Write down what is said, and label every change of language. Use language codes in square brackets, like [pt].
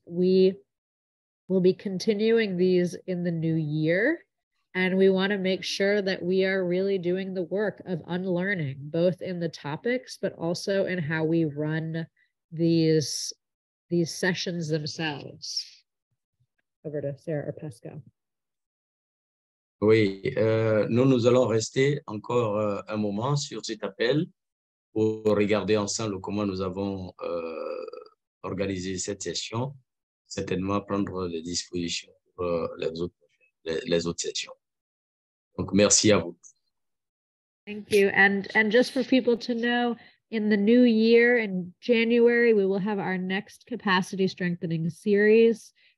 [en] We will be continuing these in the new year, and we want to make sure that we are really doing the work of unlearning, both in the topics, but also in how we run these sessions themselves. Over to Sarah or Pascal. [fr] Oui, nous allons rester encore un moment sur cet appel pour regarder ensemble comment nous avons organisé cette session, certainement prendre les dispositions pour les autres sessions. Donc, merci à vous. [en] Thank you. And just for people to know, in the new year, in January, we will have our next capacity strengthening series.